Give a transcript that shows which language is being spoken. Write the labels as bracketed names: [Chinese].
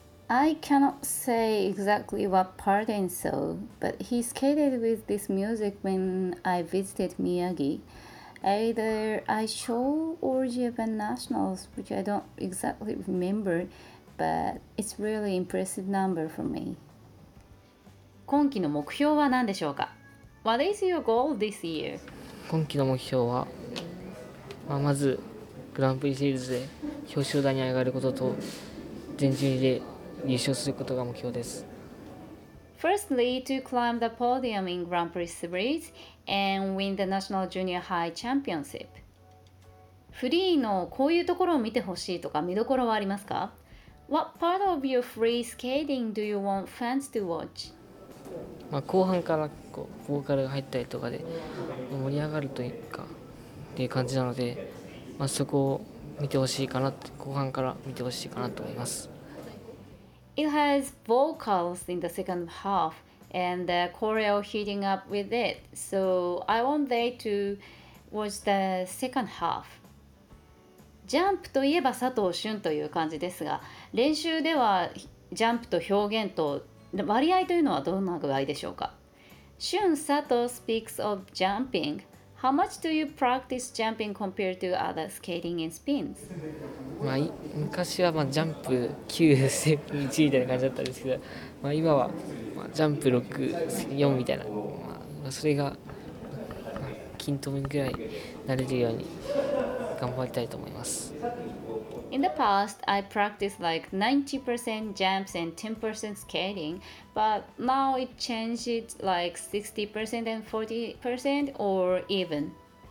[English] I cannot say exactly what part in so, but he skated with this music when I visited Miyagi. Either I show or Japan Nationals, which I don't exactly remember, but it's really impressive number for me. [Japanese] 今期の目標は何でしょうか? [English] What is your goal this year? [Japanese] 今期の目標は、まあ、まずグランプリシリーズで表彰台に上がることと全順位で優勝することが目標です。 [English] Firstly, to climb the podium in Grand Prix Series and win the National Junior High Championship. [Japanese] フリーのこういうところを見てほしいとか見どころはありますか? [English] What part of your free skating do you want fans to watch? [Japanese] まあ、後半からこうボーカルが入ったりとかで盛り上がるというかっていう感じなので、まあ、そこを見てほしいかなって、後半から見てほしいかなと思います。 [English] It has vocals in the second half and the choreo heating up with it, so I want they to watch the second half. [Japanese] ジャンプといえば佐藤駿という感じですが、練習ではジャンプと表現と割合というのはどんな具合でしょうか。 [English] Shun Sato speaks of jumping. How much do you practice jumping compared to other skating and spins? [Japanese] まあ、昔はまあジャンプ9、スピン1みたいな感じだったんですけど、まあ、今はまあジャンプ6、スピン4みたいな、まあ、それが均等ぐらいになれるように頑張りたいと思います。 [English] In the past, I practiced like 90% jumps and 10% skating, but now it changed like 60% and 40% or even.